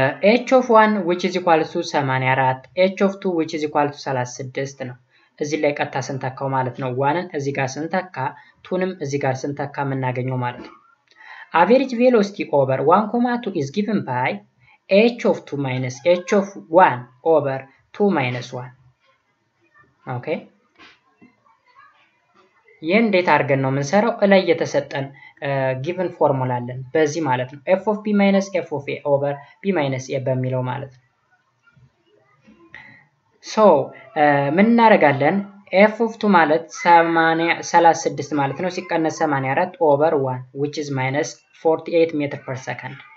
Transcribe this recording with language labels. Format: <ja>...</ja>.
<en>h of 1 which is equal to 84, h of 2 which is equal to 36</en> <am>ነው። እዚህ ላይ ቀጥታ ስንተካው ማለት ነው 1ን እዚህ ጋር ስንተካ ቱንም እዚህ ጋር ስንተካ እናገኘው ማለት ነው።</am> <en>average velocity over 1.2 is given by h of 2 minus h of 1 over 2 minus 1.</en> <am>okay ይህን እንዴት አድርገን ነው የምንሰራው? እላይ የተሰጠን</am> <en>given formula</en> <am>አለን በዚህ ማለት ነው</am> <en>f of b minus f of a over b minus a</en> <am>በሚለው ማለት ነው።</am> <en>so</en> <am>ምን እናደርጋለን?</am> <en>f of 2</en> <am>ማለት</am> <en>36</en> <am>ማለት ነው ሲቀነስ</am> <en>84 over 1 which is minus 48 meter per second.</en>